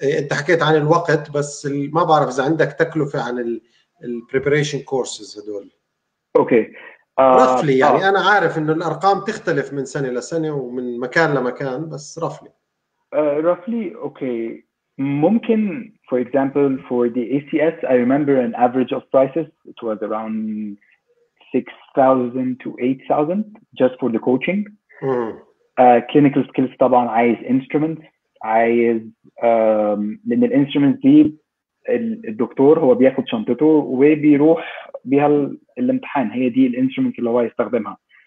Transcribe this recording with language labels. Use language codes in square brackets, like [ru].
[ar] أنت حكيت عن الوقت بس ما بعرف إذا عندك تكلفة عن ال preparation courses هدول. [en] Okay. [ar] Roughly يعني أنا عارف إنه الأرقام تختلف من سنة لسنة ومن مكان لمكان بس roughly. [en] Roughly okay. [ar] ممكن [en] for example for the ACS I remember an average of prices it was around 6,000 to 8,000 just for the coaching. [ar] Clinical skills طبعا عايز instruments, عايز لأن الانسترومنت دي الدكتور هو بياخد شنطته وبيروح بيها الامتحان, هي دي الانسترومنت اللي هو يستخدمها.